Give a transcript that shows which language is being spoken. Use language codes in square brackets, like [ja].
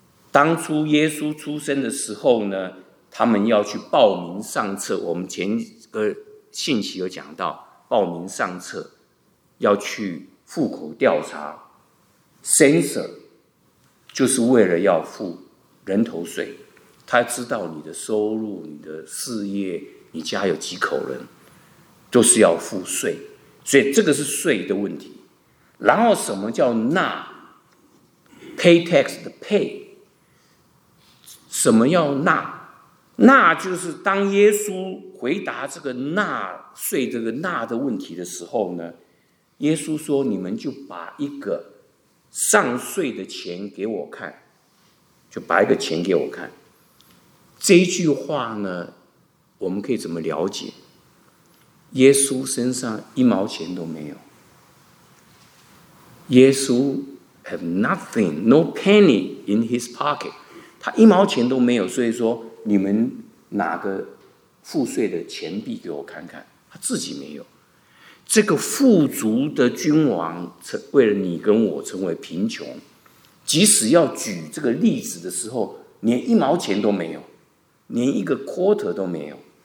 [zh] 当初耶稣出生的时候呢，他们要去报名上册，我们前个信息有讲到报名上册，要去户口调查 censor， 就是为了要付人头税，他知道你的收入、你的事业、你家有几口人，都是要付税。所以这个是税的问题。然后什么叫纳？ [en] Pay tax [zh] 的 pay， 什么要纳？纳就是当耶稣回答这个纳税这个纳的问题的时候呢，耶稣说：“你们就把一个上税的钱给我看，就把一个钱给我看。” 这一句话呢，我们可以怎么了解？耶稣身上一毛钱都没有，耶稣。 [en] Have nothing, no penny in his pocket. [zh] 他一毛钱都没有，所以说你们哪个赋税的钱币给我看看，他自己没有。这个富足的君王为了你跟我成为贫穷，即使要举这个例子的时候连一毛钱都没有，连一个 quarter 都没有。